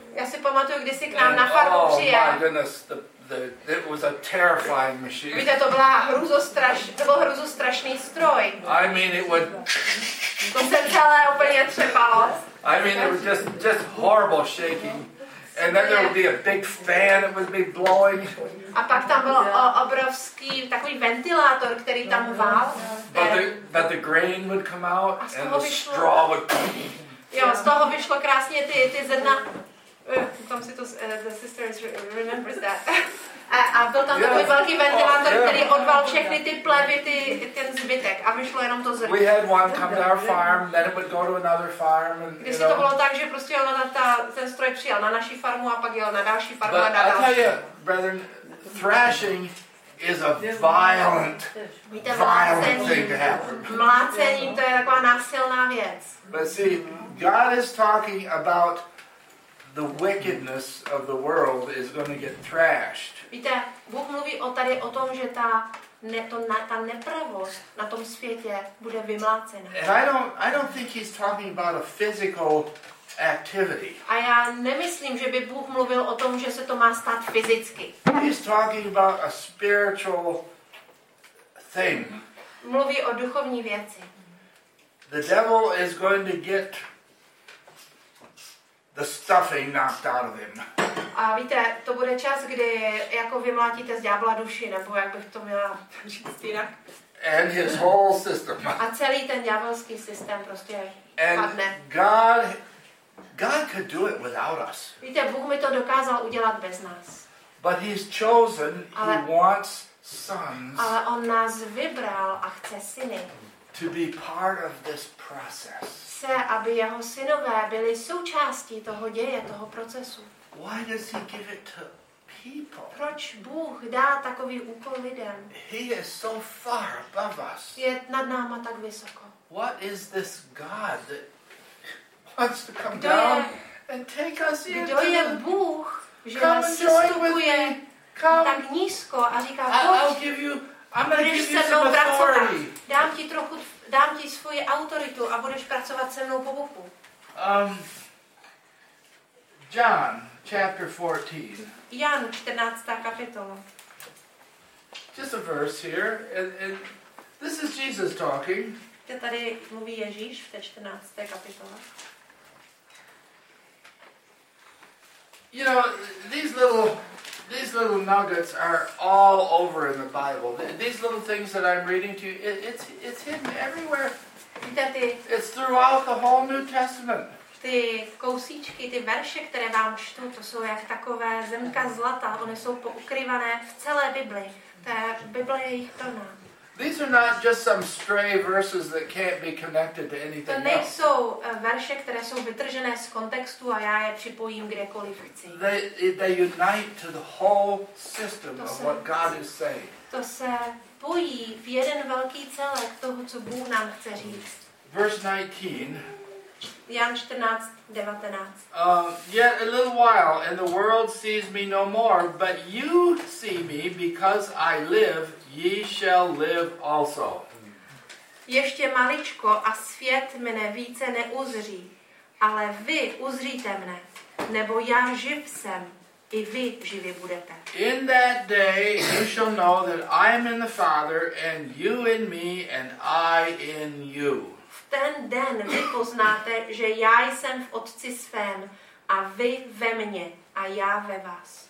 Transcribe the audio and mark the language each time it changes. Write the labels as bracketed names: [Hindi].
[Czech] Já si pamatuju, když si k nám na farmu přijel. [English] Oh my goodness, it was a terrifying machine. [Czech] Víte, to byl hrozostrašný stroj. [English] I mean, it would. [Czech] To se celé úplně třepalo. [English] I mean, it was just horrible shaking, and then there would be a big fan that would be blowing. [Czech] A pak tam byl obrovský takový ventilátor, který tam vál. [English] But the grain would come out, and the straw would. [Czech] Jo, z toho vyšlo krásně ty zrna. [English] Tom si to the sisters remembers that. [Czech] A byl tam takový velký ventilátor, který odval všechny ty plevy, ten zbytek. A vyšlo jenom to zrno. [English] We had one come to our farm, then it would go to another farm. [Czech] Když si to bylo tak, že prostě ten stroj přijel na naší farmu a pak jel na další farmu a na další. [English] But I tell you, brethren, thrashing is a violent, violent thing to happen. [Czech] Mlácení, to je taková násilná věc. [English] But see, God is talking about the wickedness of the world is going to get thrashed. [Czech] Víte, Bůh mluví tady o tom, že ta nepravost na tom světě bude vymlácena. [English] And I don't think he's talking about a physical activity. [Czech] A já nemyslím, že by Bůh mluvil o tom, že se to má stát fyzicky. [English] He's talking about a spiritual thing. [Czech] Mluví o duchovní věci. [English] The devil is going to get the stuffing knocked out of him. [Czech] A víte, to bude čas, kdy jako vymlátíte z ďábla duši, nebo jak bych to měla říct jinak. [English] And his whole system. [Czech] A celý ten ďábelský systém prostě padne. [English] God could do it without us. [Czech] Víte, Bůh mi to dokázal udělat bez nás. [English] But he's chosen, he wants sons. [Czech] Ale on nás vybral a chce syny. [English] To be part of this process. [Czech] Chce, aby jeho synové byli součástí toho děje, toho procesu. [English] Why does he give it to people? [Czech] Proč Bůh dá takový úkol lidem? [English] He is so far above us. [Czech] Je nad náma tak vysoko. [English] What is this God that wants to come down and take us into [Czech] the... Kdo je Bůh, že nás sestupuje tak nízko a říká, pojď, dám ti svoji autoritu a budeš pracovat se mnou po Bohu. [English] John, chapter 14. [Czech] Jan, 14. kapitola. [English] Just a verse here. And this is Jesus talking. [Czech] Je tady mluví Ježíš v té 14. kapitole. [English] You know, these little nuggets are all over in the Bible. These little things that I'm reading to you, it's hidden everywhere. It's throughout the whole New Testament. [Czech] Ty kousíčky, ty verše, které vám čtu, to jsou jak takové zrnka zlata, oni jsou poukryvané v celé Bibli. Ta Bible je jich plná. [English] These are not just some stray verses that can't be connected to anything else. [Czech] To nejsou verše, které jsou vytržené z kontextu a já je připojím kdekoliv chci. [English] They unite to the whole system of what God is saying. [Czech] To se pojí v jeden velký celek toho, co Bůh nám chce říct. [English] Verse 19. [Czech] Jan 14:19. [English] Yet a little while and the world sees me no more, but you see me because I live. Ye shall live also. [Czech] Ještě maličko a svět mne více neuzří, ale vy uzříte mne, nebo já živ jsem, i vy živi budete. [English] In that day you shall know that I am in the Father, and you in me, and I in you. [Czech] V ten den vy poznáte, že já jsem v Otci svém, a vy ve mně, a já ve vás.